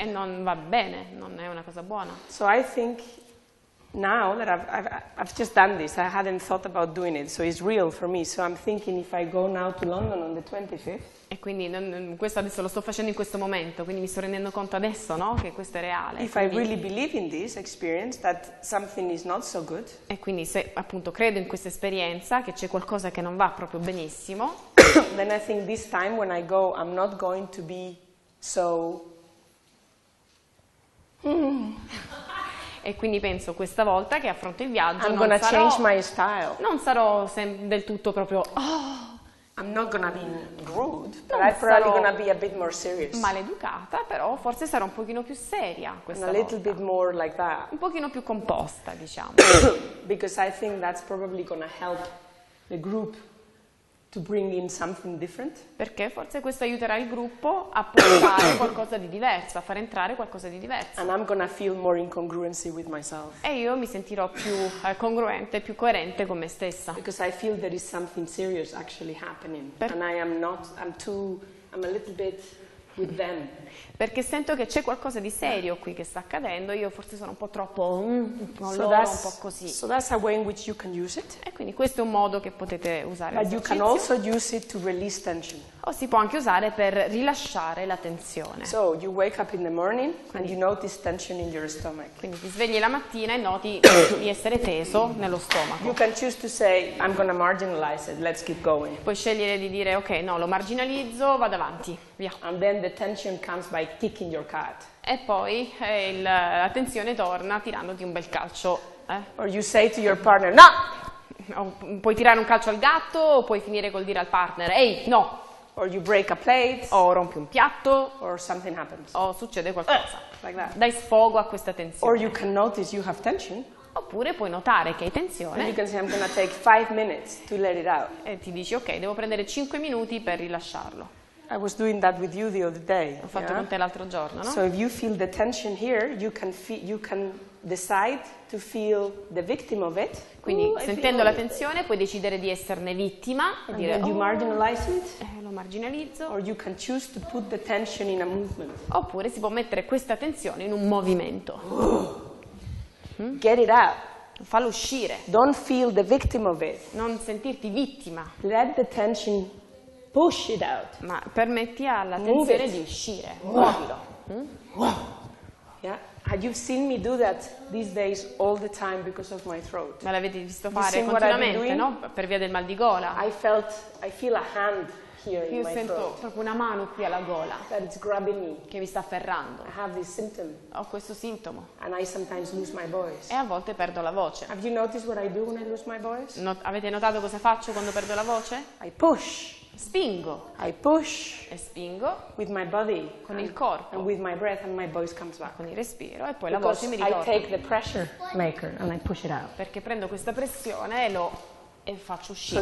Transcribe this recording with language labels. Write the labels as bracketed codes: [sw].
[it] E non va bene, non è una cosa buona. [en] So I think now that I've just done this, I hadn't thought about doing it, so it's real for me. So I'm thinking if I go now to London on the 25th. [it] E quindi questo adesso lo sto facendo in questo momento, quindi mi sto rendendo conto adesso, no, che questo è reale. [en] If I really believe in this experience that something is not so good. [it] E quindi se appunto credo in questa esperienza che c'è qualcosa che non va proprio benissimo. [en] Then I think this time when I go I'm not going to be so [it] E quindi penso questa volta che affronto il viaggio [en] I'm gonna change my style. [it] Non sarò del tutto proprio oh, [en] I'm not gonna be rude, but I'm probably gonna be a bit more serious. [it] Maleducata, però forse sarò un pochino più seria questa volta. [en] A little bit more like that. [it] Un pochino più composta, diciamo. [en] Because I think that's probably gonna help the group to bring in something different. [it] Perché forse questo aiuterà il gruppo a portare qualcosa di diverso, a far entrare qualcosa di diverso. [en] And I'm gonna feel more in congruency with myself. [it] E io mi sentirò più congruente, più coerente con me stessa. [en] Because I feel there is something serious actually happening. I'm a little bit with them. [it] Perché sento che c'è qualcosa di serio qui che sta accadendo, io forse sono un po' troppo un po' così. [en] So that's a way in which you can use it. [it] E quindi questo è un modo che potete usare. [en] But you can also use it to release tension. [it] O si può anche usare per rilasciare la tensione. [en] So you wake up in the morning and you notice tension in your stomach. [it] Quindi ti svegli la mattina e noti di essere teso nello stomaco. [en] You can choose to say I'm gonna marginalize it. Let's keep going. [it] Puoi scegliere di dire ok, no, lo marginalizzo, vado avanti. Via. [en] And then the tension comes by kicking your cat. [it] E poi la tensione torna tirandoti un bel calcio. [en] Or you say to your partner, no! [it] Puoi tirare un calcio al gatto o puoi finire col dire al partner, ehi, no! [en] Or you break a plate. [it] O rompi un piatto. [en] Or something happens. O succede qualcosa. Like that. [it] Dai sfogo a questa tensione. [en] Or you can notice you have tension. [it] Oppure puoi notare che hai tensione. [en] And you can say I'm gonna take 5 minutes to let it out. [it] E ti dici ok, devo prendere 5 minuti per rilasciarlo. [en] I was doing that with you the other day. [it] Ho fatto con te l'altro giorno, no? [en] So if you feel the tension here, you can decide to feel the victim of it. [it] Quindi sentendo la tensione puoi decidere di esserne vittima e [en] then you marginalize it. [it] Lo marginalizzo. [en] Or you can choose to put the tension in a movement. [it] Oppure si può mettere questa tensione in un movimento. [en] Get it out. [it] Fallo uscire. [en] Don't feel the victim of it. [it] Non sentirti vittima. [en] Let the tension push it out. [it] Ma permetti alla tensione di uscire. Muovilo. [en] Have you seen me do that these days all the time because of my throat? [it] Ma l'avete visto fare continuamente, no? Per via del mal di gola. [en] I feel a hand here in my throat. [it] Io sento proprio una mano qui alla gola. [en] That it's grabbing me. [it] Che mi sta afferrando. [en] I have this symptom. [it] Ho questo sintomo. [en] And I sometimes lose my voice. [it] E a volte perdo la voce. [en] Have you noticed what I do when I lose my voice? [it] Avete notato cosa faccio quando perdo la voce? [en] I push. [it] Spingo. [en] I push. [it] E spingo. [en] With my body. [it] Con il corpo. [en] And with my breath and my voice comes back. [it] Con il respiro e poi la voce mi ritorna. [en] I take the pressure maker and I push it out. [it] Perché prendo questa pressione e e faccio uscire.